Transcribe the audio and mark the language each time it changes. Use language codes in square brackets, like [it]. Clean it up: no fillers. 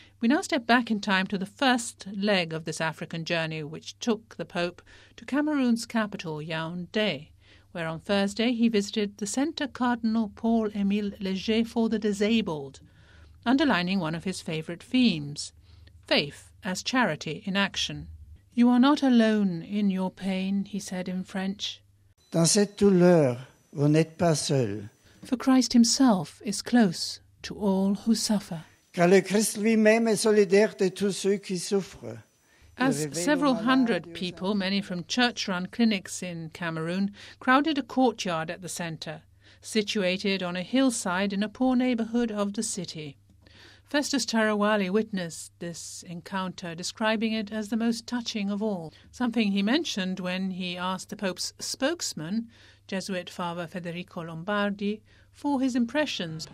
[en] We now step back in time to the first leg of this African journey, which took the Pope to Cameroon's capital, Yaoundé, where on Thursday he visited the Centre Cardinal Paul-Émile Léger for the Disabled, underlining one of his favourite themes, faith as charity in action. "You are not alone in your pain," he said in French. [fr] "Dans cette douleur, vous n'êtes pas seul." [en] For Christ himself is close to all who suffer. [fr] Car le Christ lui-même est solidaire de tous ceux qui souffrent. [en] As several hundred people, many from church-run clinics in Cameroon, crowded a courtyard at the centre, situated on a hillside in a poor neighbourhood of the city. Festus Tarawali witnessed this encounter, describing it as the most touching of all, something he mentioned when he asked the Pope's spokesman, Jesuit Father Federico Lombardi, for his impressions.